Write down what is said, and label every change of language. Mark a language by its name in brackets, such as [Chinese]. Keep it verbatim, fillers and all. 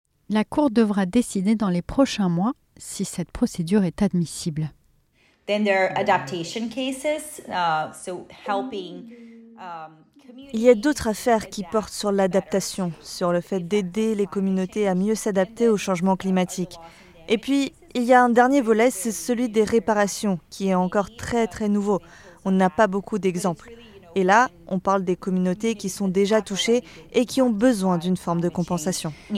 [French] La Cour devra décider dans les prochains mois si cette procédure est admissible. [English] Then there are adaptation cases, uh, so helping... [French] Il y a d'autres affaires qui portent sur l'adaptation, sur le fait d'aider les communautés à mieux s'adapter au changement climatique. Et puis, il y a un dernier volet, c'est celui des réparations, qui est encore très très nouveau. On n'a pas beaucoup d'exemples. Et là, on parle des communautés qui sont déjà touchées et qui ont besoin d'une forme de compensation.